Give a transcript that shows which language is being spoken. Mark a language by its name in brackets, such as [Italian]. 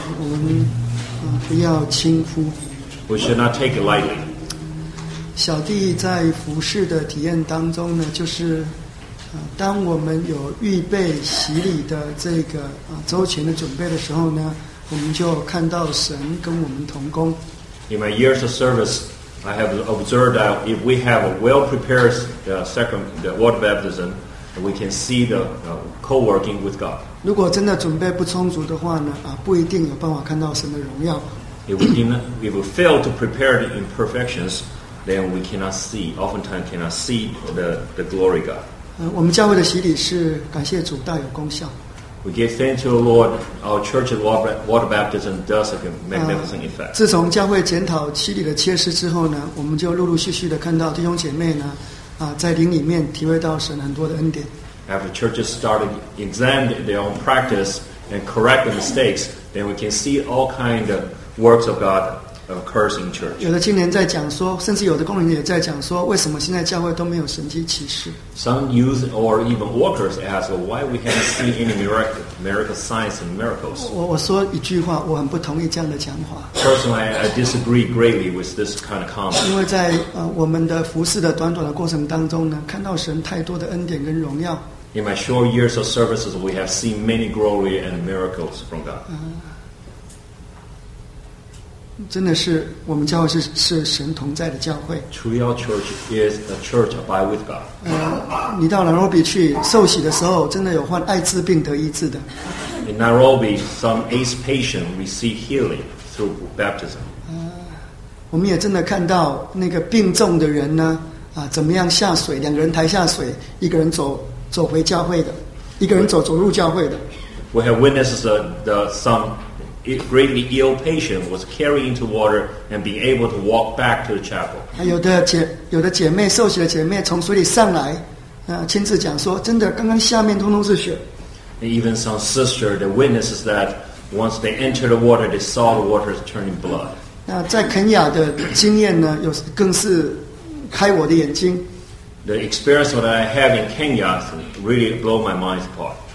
[Chinese] 我们不要轻忽。 [English] We should not take it lightly. [Chinese] 小弟在服事的体验当中呢，就是当我们有预备洗礼的这个周全的准备的时候呢，我们就看到神跟我们同工。 [English] In my years of service, I have observed that if we have a well-prepared the water baptism, we can see the co-working with God. [Chinese] 如果真的准备不充足的话呢，不一定有办法看到神的荣耀。 [English] If we fail to prepare the imperfections, then we cannot see, oftentimes cannot see the glory of God. [Chinese] 我们教会的洗礼是感谢主大有功效。 [English] We give thanks to the Lord. Our church's water baptism does a magnificent effect. [Chinese] 自从教会检讨洗礼的缺失之后呢，我们就陆陆续续的看到弟兄姐妹呢，在灵里面体会到神很多的恩典。 [English] After churches started examining their own practice and correct the mistakes, then we can see all kind of works of God occurs in church. [Chinese] 有的青年在讲说，甚至有的工人也在讲说，为什么现在教会都没有神迹奇事？ [English] Some youth or even workers ask, why we haven't seen any miracle signs and miracles? [Chinese] 我说一句话，我很不同意这样的讲法。 [English] Personally, I disagree greatly with this kind of comment. [Chinese] 因为在我们的服事的短短的过程当中呢，看到神太多的恩典跟荣耀。 [English] In my short years of services, we have seen many glory and miracles from God. [Chinese] 真的是我们教会 是神同在的教会。 [English] Truly our church is a church abide with God. [Chinese] 你到南罗比去受洗的时候，真的有患艾滋病得医治的。 [English] In Nairobi, some AIDS patient received healing through baptism. [Chinese] 我们也真的看到那个病重的人呢，怎么样下水，两个人抬下水，一个人走回教会的，一个人走入教会的。 [English] We have witnesses a greatly ill patient was carried into water and being able to walk back to the chapel. [Chinese] 有的姐妹受洗的姐妹从水里上来，亲自讲说，真的，刚刚下面通通是血。 [English] And even some sister, the witnesses that once they entered the water, they saw the water turning blood. [Chinese] 那在肯亚的经验呢，有更是开我的眼睛。 [English] The experience that I have in Kenya really blew my mind apart.